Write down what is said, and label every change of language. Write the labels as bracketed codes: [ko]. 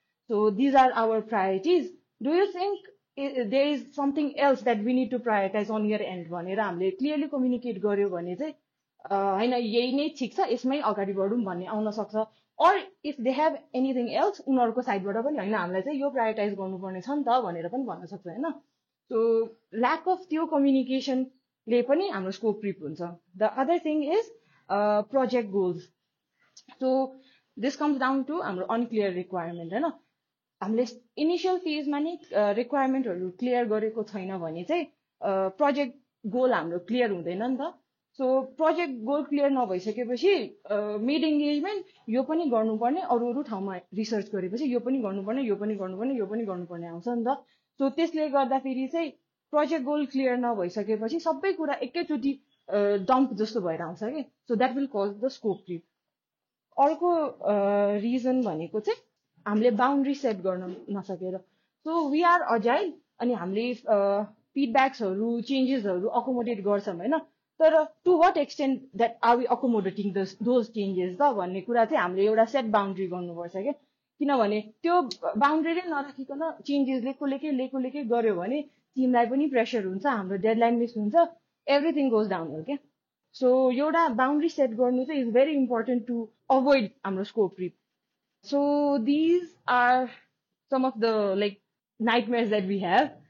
[en] so these are our priorities, do you think there is something else that we need to prioritise on your end [ne] भनेर हामीले clearly communicate गर्यो भने चाहिँ होइन यही नै ठिक छ यसमै अगाडि बढौँ भन्ने आउन सक्छ. [en] or if they have anything else [ne] उनीहरूको साइडबाट पनि होइन हामीलाई चाहिँ यो प्रायोरिटाइज गर्नुपर्ने छ नि त भनेर पनि भन्न सक्छ होइन. सो ल्याक अफ त्यो कम्युनिकेसनले पनि हाम्रो स्कोप क्रिप हुन्छ. [en] The other thing is project goals. So this comes down to हाम्रो unclear requirement होइन. [ne] हामीले इनिसियल फेजमा नै रिक्वायरमेन्टहरू क्लियर गरेको छैन भने चाहिँ प्रोजेक्ट गोल हाम्रो क्लियर हुँदैन नि त. So project goal clear नभइसकेपछि mid engagement यो पनि गर्नुपर्ने, अरू अरू ठाउँमा रिसर्च गरेपछि यो पनि गर्नुपर्ने, यो पनि गर्नुपर्ने, यो पनि गर्नुपर्ने आउँछ नि त. सो त्यसले गर्दाखेरि चाहिँ प्रोजेक्ट गोल क्लियर नभइसकेपछि सबै कुरा एकैचोटि डम्प जस्तो भएर आउँछ कि. [en] So that will cause the scope creep. [ne] अर्को रिजन भनेको चाहिँ हामीले बााउन्ड्री सेट गर्न नसकेर. [en] so we are agile [ne] अनि हामीले फिडब्याक्सहरू चेन्जेसहरू अकोमोडेट गर्छौँ होइन, तर [en] to what extent that are we accommodating those changes [ne] the भन्ने कुरा चाहिँ हामीले एउटा सेट बााउन्ड्री गर्नुपर्छ क्या. किनभने त्यो बााउन्ड्री नै नराखिकन चेन्जेस लेको लेकै गऱ्यो भने टिमलाई पनि प्रेसर हुन्छ, हाम्रो डेडलाइन मिस हुन्छ, [en] everything goes down [ne] हो क्या. सो एउटा बााउन्ड्री सेट गर्नु चाहिँ [en] is very important to avoid [ne] हाम्रो scope क्रिप. [en] So these are some of the like nightmares that we have.